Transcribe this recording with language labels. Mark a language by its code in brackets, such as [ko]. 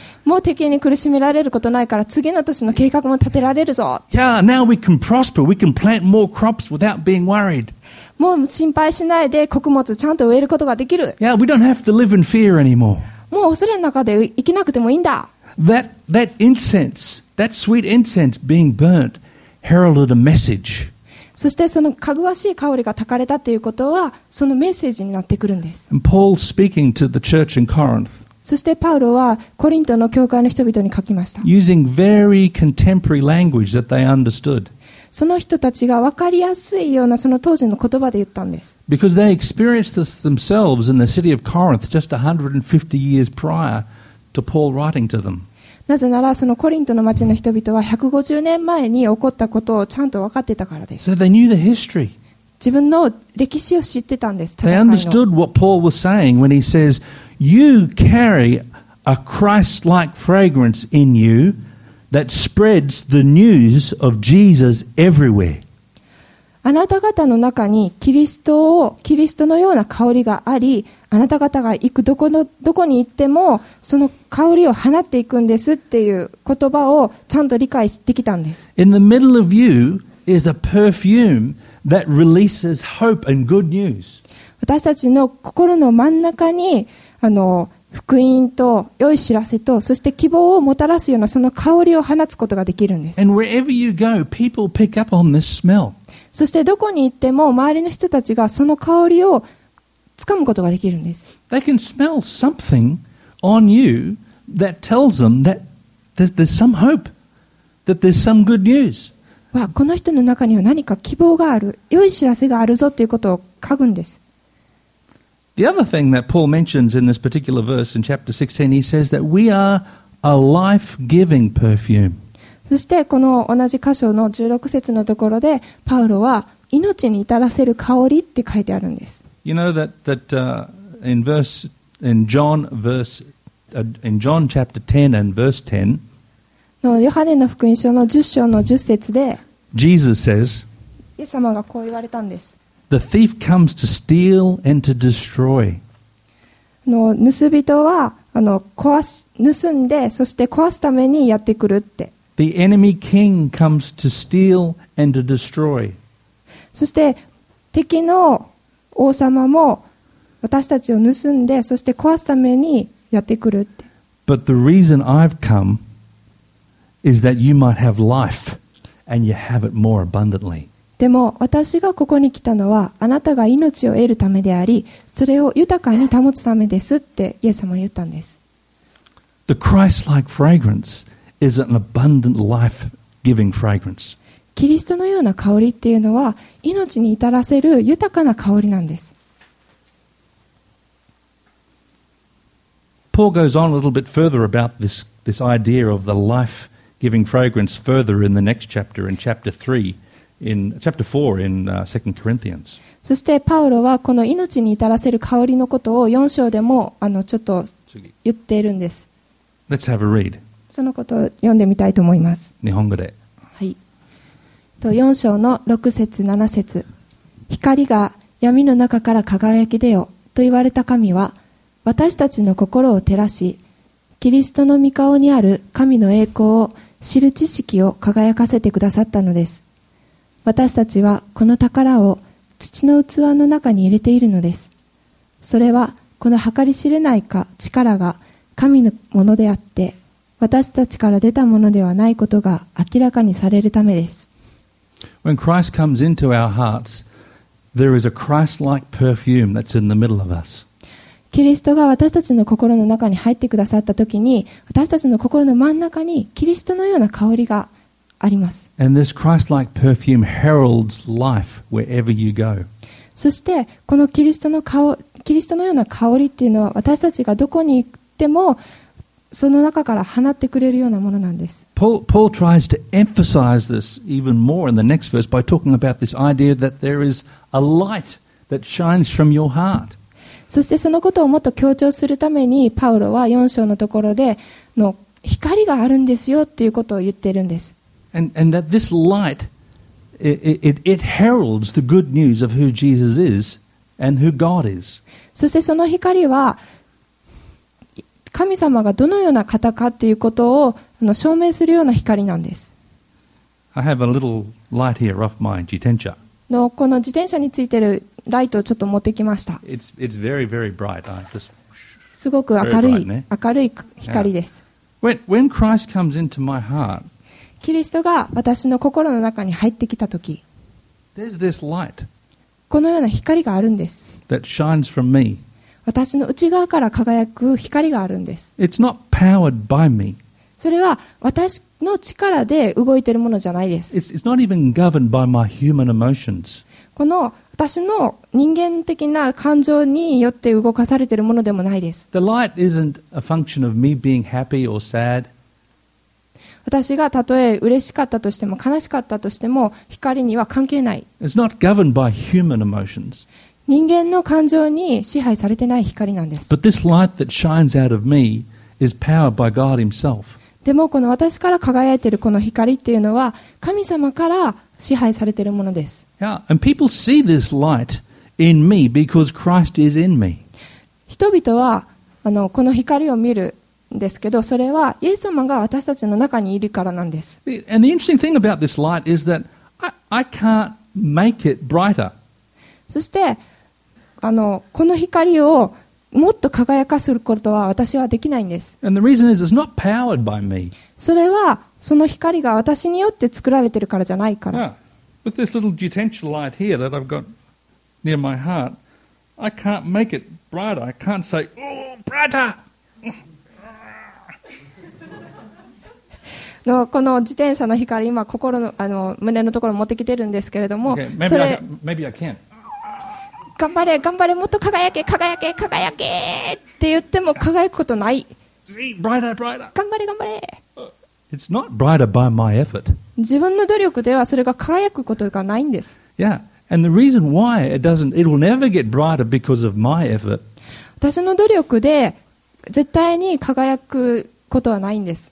[ja] もう敵に苦しめられることないから次の年の計画も立てられるぞ。 [en] Yeah, now we can prosper. We can plant more crops without being worried. [ja] もう心配しないで穀物ちゃんと植えることができる。 [en] Yeah, we don't have to live in fear anymore. [ja] もう恐れの中で生きなくてもいいんだ。 [en] That incense, that sweet incense being burnt heralded a message. [ja] そしてそのかぐわしい香りが焚かれたということはそのメッセージになってくるんです。 [en] And Paul speaking to the church in Corinth. [ja] そしてパウロはコリントの教会の人々に書きました。 [en] Using very contemporary language that they understood. [ja] その人たちが分かりやすいようなその当時の言葉で言ったんです。 [en] Because they experienced this themselves in the city of Corinth just 150 years prior to Paul writing to them. [ja] なぜならそのコリントの町の人々は150年前に起こったことをちゃんと分かってたからです。 [en] So they knew the history. [ja] 自分の歴史を知ってたんです。 [en] They understood what Paul was saying when he says, "You carry a Christ-like fragrance in you." That spreads the news of Jesus everywhere. [ja] あなた方の中にキリストのような香りがあり、あなた方が行くどこに行ってもその香りを放っていくんですっていう言葉をちゃんと理解してきたんです。 [en] In the middle of you is a perfume that releases hope and good news. [ja] 私たちの心の真ん中に福音と良い知らせとそして希望をもたらすようなその香りを放つことができるんです。 [en] And wherever you go, people pick up on this smell. [ja] そしてどこに行っても周りの人たちがその香りをつかむことができるんです。 [en] They can smell something on you that tells them that there's some hope, that there's some good news. [ja] わ、この人の中には何か希望がある、良い知らせがあるぞということを嗅ぐんです。 [en] The other thing that Paul mentions in this particular verse in chapter 16, he says that we are a life-giving perfume. [ja] そしてこの同じ箇所の16節のところでパウロは命に至らせる香りって書いてあるんです。 [en] You know that, that in verse, in John verse, in John chapter 10 and verse 10, [ja] のヨハネの福音書の10章の10節で、 [en] Jesus says, [ja] イエス様がこう言われたんです。 [en] The thief comes to steal and to destroy. [ja] の盗人は盗んで、そして壊すためにやってくるって。 [en] The enemy king comes to steal and to destroy. [ja] そして敵の王様も私たちを盗んで、そして壊すためにやってくるって。 [en] But the reason I've come is that you might have life and you have it more abundantly. [ja] でも私がここに来たのはあなたが命を得るためであり、それを豊かに保つためですってイエス様は言ったんです。 [en] The Christ-like fragrance is an abundant life-giving fragrance. [ja] キリストのような香りっていうのは命に至らせる豊かな香りなんです。 [en] Paul goes on a little bit further about this, this idea of the life-giving fragrance further in the next chapter, in chapter 3, in chapter 4 in 2 Corinthians. [ja] そしてパウロはこの命に至らせる香りのことを4章でもちょっと言っているんです。 [en] Let's have a read. [ja] そのことを読んでみたいと思います。日本語で。はい。4章の6節7節。光が闇の中から輝き出よと言われた神は、私たちの心を照らし、キリストの御顔にある神の栄光を知る知識を輝かせてくださったのです。私たちはこの宝を土の器の中に入れているのです。それはこの計り知れないか力が神のものであって、私たちから出たものではないことが明らかにされるためです。 [en] When Christ comes into our hearts, there is a Christ-like perfume that's in the middle of us. [ja] キリストが私たちの心の中に入ってくださったときに、私たちの心の真ん中にキリストのような香りがあります。 [en] And this Christ-like perfume heralds life wherever you go. [ja] そしてこのキリストの香、キリストのような香りっていうのは私たちがどこに行ってもその中から放ってくれるようなものなんです。 [en] Paul tries to emphasize this even more in the next verse by talking about this idea that there is a light that shines from your heart. [ja] そしてそのことをもっと強調するためにパウロは4章のところでの光があるんですよっていうことを言っているんです。 [en] and that this light it heralds the good news of who Jesus is and who God is. [ja] そしてその光は神様がどのような方かっていうことを証明するような光なんです。 [en] I have a little light here off my 自転車 [ja] のこの自転車についてるライトをちょっと持ってきました。 [en] it's very, very bright. This... [ja] すごく明るい、ね、明るい光です。 [en] when Christ comes into my heart, [ja] キリストが私の心の中に入ってきたとき、 [en] there's this light [ja] このような光があるんです。 [en] that shines from me. [ja] 私の内側から輝く光があるんです。 [en] it's not powered by me. [ja] それは私の力で動いているものじゃないです。 [en] it's not even governed by my human emotions. [ja] この私の人間的な感情によって動かされているものでもないです。 [en] The light isn't a function of me being happy or sad. [ja] 私がたとえ嬉しかったとしても悲しかったとしても光には関係ない。 [en] It's not governed by human emotions. [ja] 人間の感情に支配されてない光なんです。 [en] But this light that shines out of me is powered by God himself. [ja] でもこの私から輝いているこの光っていうのは神様から支配されているものです。 [en] Yeah, and people see this light in me because Christ is in me. [ja] 人々はこの光を見るんですけど、それはイエス様が私たちの中にいるからなんです。 [en] And the interesting thing about this light is that I can't make it brighter. [ja] そしてこの光をもっと輝かせることは私はできないんです。 [en] And the reason is it's not powered by me. [ja] それはその光が私によって作られているからじゃないから。 [en] Yeah. With this little detention light here that I've got near my heart, I can't make it brighter. I can't say, oh, brighter! [ja] のこの自転車の光、今心の胸のところ持ってきてるんですけれども、 [en] okay. maybe [ja] それ、 [en] maybe I can. [ja] 頑張れ、頑張れ、もっと輝け、輝け、輝けって言っても輝くことない。 [en] See, brighter, brighter. [ja] 頑張れ頑張れ。 [en] It's not brighter by my effort. [ja] 自分の努力ではそれが輝くことがないんです。 [en] Yeah, and the reason why it doesn't, it will never get brighter because of my effort. [ja] 私の努力で絶対に輝くことはないんです。